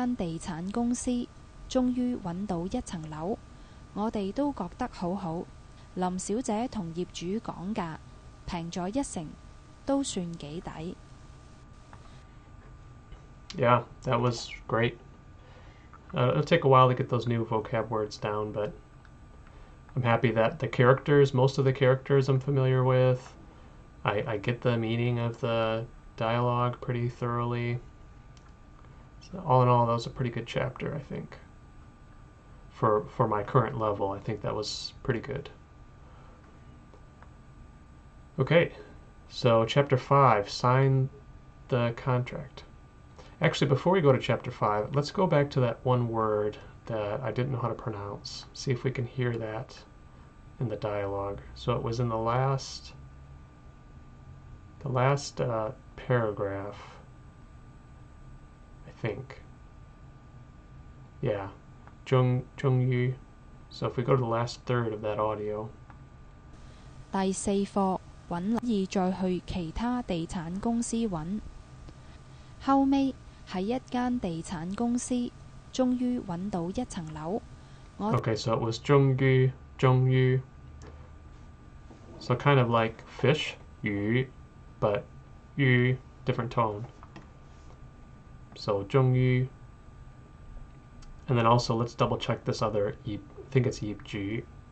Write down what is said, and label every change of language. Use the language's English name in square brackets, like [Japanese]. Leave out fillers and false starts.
[Cantonese] 後尾喺一間地產公司終於揾到一層樓, 我哋都覺得好好。林小姐同業主講價, 平咗一成, 都算幾抵。 [English] Yeah, that was great. It'll take a while to get those new vocab words down, but I'm happy that the characters, most of the characters I'm familiar with, I get the meaning of the dialogue pretty thoroughly. So all in all, that was a pretty good chapter, I think. For my current level, I think that was pretty good. Okay, so chapter five, sign the contract. Actually, before we go to chapter five, let's go back to that one word that I didn't know how to pronounce. See if we can hear that in the dialogue. So it was in the last paragraph, I think. Yeah, Zhong Yu. So if we go to the last third of that audio. [Cantonese] 第四課，揾樓意再去其他地產公司揾。後尾喺一間地產公司，終於揾到一層樓。我 [English] Okay, so it was 终于, 终于. So kind of like fish, 鱼, but 鱼, different tone. So 终于. And then also, let's double check this other, I think it's 业主.